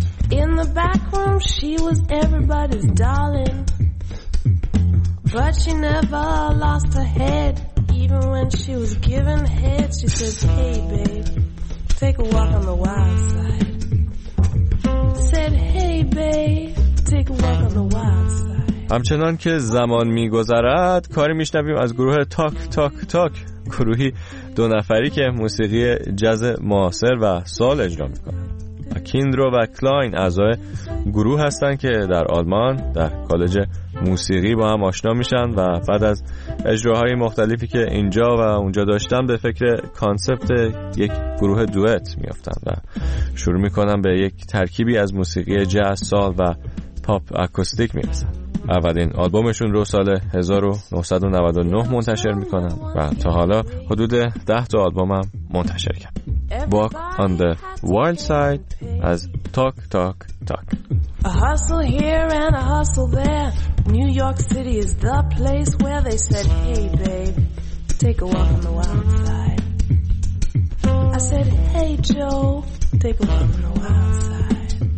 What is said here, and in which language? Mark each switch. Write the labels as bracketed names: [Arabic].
[English] In the back room, she was everybody's darling. But she never lost her head. Even when she was given head, she says, hey babe, take a walk on the wild side. Said, hey babe, take a walk on the wild side. [Persian] همچنان که زمان میگذرد کاری میشنویم از گروه تاک تاک تاک، گروهی دو نفری که موسیقی جاز معاصر و سال اجرا میکنند. کیندرو و کلاین اعضای گروه هستند که در آلمان در کالج موسیقی با هم آشنا میشن و بعد از اجراهای مختلفی که اینجا و اونجا داشتن به فکر کانسپت یک گروه دوئت میافتند و شروع میکنن به یک ترکیبی از موسیقی جاز سال و پاپ اکوستیک میرسن. اولین آلبومشون رو سال 1999 منتشر میکنم و تا حالا حدود 10 تا آلبومم منتشر کردم. Walk on the Wild Side از Talk Talk Talk. [English] A hustle here and a hustle there. New York City is the place where they said, hey babe, take a walk on the wild side. I said, hey Joe, take a walk on the wild side.